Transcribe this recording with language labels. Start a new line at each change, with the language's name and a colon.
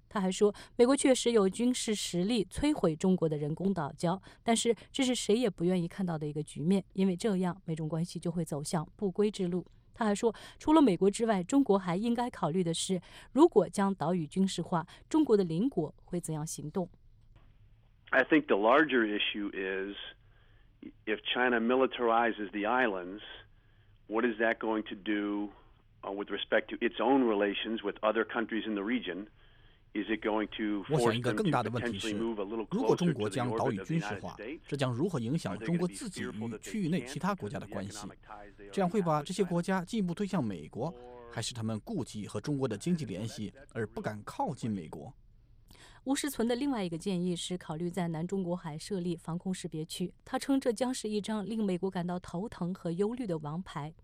Chinese: 他还说，美国确实有军事实力摧毁中国的人工岛礁，但是这是谁也不愿意看到的一个局面，因为这样美中关系就会走向不归之路。他还说，除了美国之外，中国还应该考虑的是，如果将岛屿军事化，中国的邻国会怎样行动。
English: I think the larger issue is if China militarizes the islands, what is that going to do with respect to its own relations with other countries in the region? Is it going to force them to potentially move a little closer to the orbit of the United States?
Chinese: 中国将岛屿军事化，这将如何影响中国自己与区域内其他国家的关系？这样会把这些国家进一步推向美国，还是他们顾忌和中国的经济联系而不敢靠近美国？吴世存的另外一个建议是考虑在南中国海设立防空识别区，他称这将是一张令美国感到头疼和忧虑的王牌。